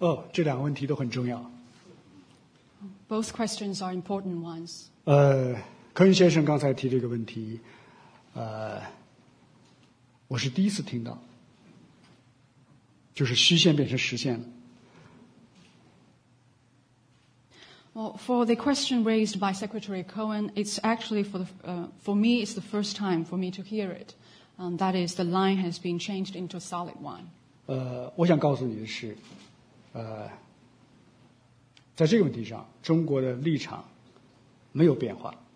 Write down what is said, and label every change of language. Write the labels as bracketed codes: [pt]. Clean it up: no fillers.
[zh] 这两个问题都很重要。 [en] Both questions are important ones. [zh] 柯云先生刚才提这个问题，我是第一次听到，就是虚线变成实线了。 [en] Well, for the question raised by Secretary Cohen, it's actually for me, it's the first time for me to hear it. That is, the line has been changed into a solid one. [zh] 我想告诉你的是，在这个问题上，中国的立场没有变化。